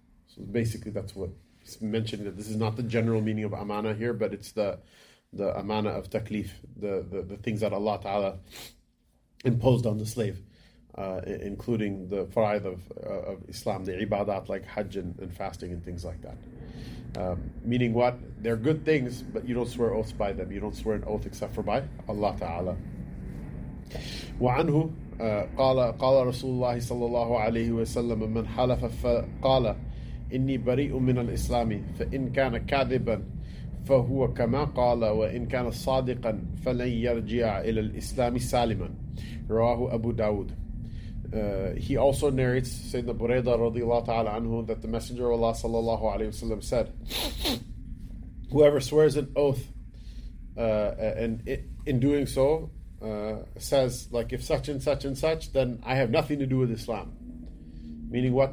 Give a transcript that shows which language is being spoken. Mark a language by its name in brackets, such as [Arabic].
[English] So basically that's what he's mentioning, that this is not the general meaning of amana here, but it's the amana of taklif, the things that Allah Ta'ala imposed on the slave, including the faraid of Islam, the ibadat like hajj and fasting and things like that. Meaning what? They're good things, but you don't swear oaths by them. You don't swear an oath except for by Allah Ta'ala. [Arabic] وَعَنْهُ قال رسول الله صلى الله عليه وسلم من حلف فقال إني بريء من الإسلام فإن كان كاذبا فهو كما قال وإن كان صادقا فلن يرجع إلى الإسلام سالما رواه أبو داود. [English] He also narrates Sayyidina Bureyda رضي الله تعالى عنه that the Messenger of Allah صلى الله عليه وسلم said, whoever swears an oath and in doing so says, like, if such and such and such, then I have nothing to do with Islam. Meaning what?